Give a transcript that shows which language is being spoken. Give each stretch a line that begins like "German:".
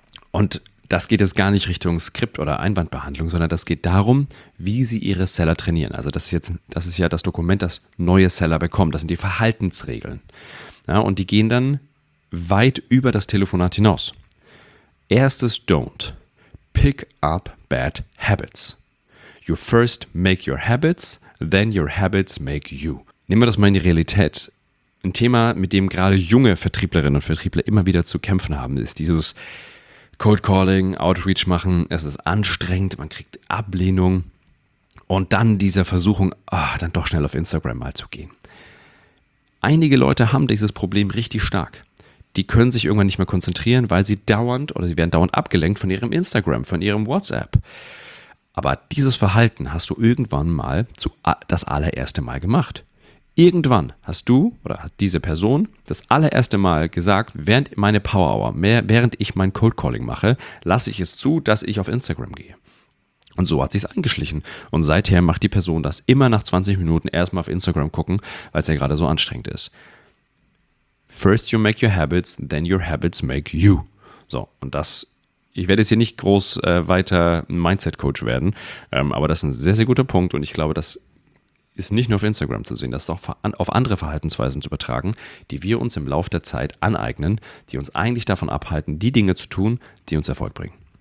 German: Und das geht jetzt gar nicht Richtung Skript oder Einwandbehandlung, sondern das geht darum, wie sie ihre Seller trainieren. Also das ist ja das Dokument, das neue Seller bekommen. Das sind die Verhaltensregeln. Ja, und die gehen dann weit über das Telefonat hinaus.
English: Erstes Don't. Pick up bad habits. You first make your habits, then your habits make you.
German: Nehmen wir das mal in die Realität. Ein Thema, mit dem gerade junge Vertrieblerinnen und Vertriebler immer wieder zu kämpfen haben, ist dieses Cold Calling, Outreach machen. Es ist anstrengend, man kriegt Ablehnung. Und dann diese Versuchung, dann doch schnell auf Instagram mal zu gehen. Einige Leute haben dieses Problem richtig stark. Die können sich irgendwann nicht mehr konzentrieren, weil sie dauernd oder sie werden dauernd abgelenkt von ihrem Instagram, von ihrem WhatsApp. Aber dieses Verhalten hast du irgendwann mal das allererste Mal gemacht. Irgendwann hast du oder hat diese Person das allererste Mal gesagt, während meine Power Hour, während ich mein Cold Calling mache, lasse ich es zu, dass ich auf Instagram gehe. Und so hat sich's eingeschlichen. Und seither macht die Person das immer nach 20 Minuten erstmal auf Instagram gucken, weil es ja gerade so anstrengend ist.
English: First you make your habits, then your habits make you.
German: So, und das, ich werde jetzt hier nicht groß weiter ein Mindset-Coach werden, aber das ist ein sehr, sehr guter Punkt und ich glaube, das ist nicht nur auf Instagram zu sehen, das ist auch auf andere Verhaltensweisen zu übertragen, die wir uns im Laufe der Zeit aneignen, die uns eigentlich davon abhalten, die Dinge zu tun, die uns Erfolg bringen.